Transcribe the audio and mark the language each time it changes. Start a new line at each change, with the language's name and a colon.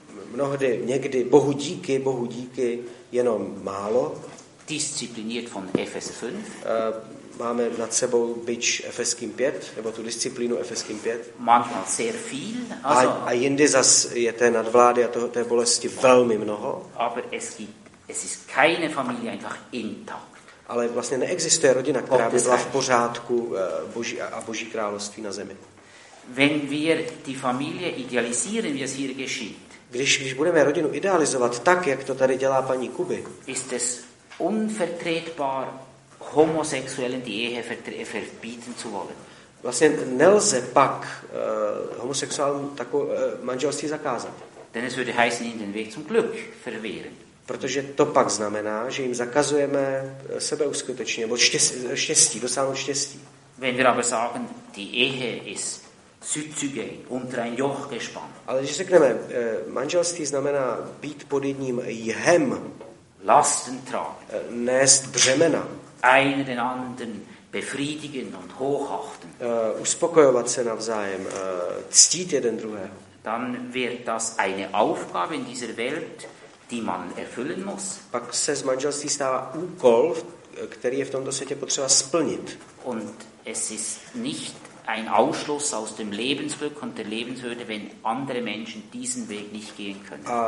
Czech: mnohdy někdy Bohu díky jenom málo.
German: Diszipliniert von Efes 5.
Czech: Máme nad sebou bič Efeským 5, nebo tu disciplínu Efeským 5.
German: Manchmal sehr viel,
Czech: also, a jinde zas je té nadvlády a té bolesti velmi mnoho.
German: Aber es ist keine Familie einfach intakt.
Czech: Ale vlastně neexistuje rodina, která by byla v pořádku Boží, a Boží království na zemi.
German: Wenn wir die Familie idealisieren, wie es hier geschieht.
Czech: Když budeme rodinu idealizovat tak, jak to tady dělá paní Kuby,
German: ist es unvertretbar, Homosexuellen die Ehe verbieten zu wollen.
Czech: Vlastně nelze pak homosexuálům takové manželství zakázat.
German: Denn es würde heißen, ihnen den Weg zum Glück verwehren.
Czech: Protože to pak znamená, že jim zakazujeme sebeuskutečnění, nebo štěstí, dosáhnout štěstí.
German: Wenn wir aber sagen, die Ehe ist Südzüge unter ein Joch gespannt.
Czech: Ale když řekneme, manželství znamená být pod jedním jhem.
German: Lasten tragen.
Czech: Nést břemena.
German: Einen den anderen befriedigen und hochachten.
Czech: Uspokojovat se navzájem, ctít jeden druhého.
German: Dann wird das eine Aufgabe in dieser Welt, die man erfüllen muss.
Czech: Pak se z manželství stává úkol, který je v tomto světě potřeba splnit.
German: Und es ist nicht ein Ausschluss aus dem Lebensglück und der Lebenswürde, wenn andere Menschen diesen Weg nicht gehen können.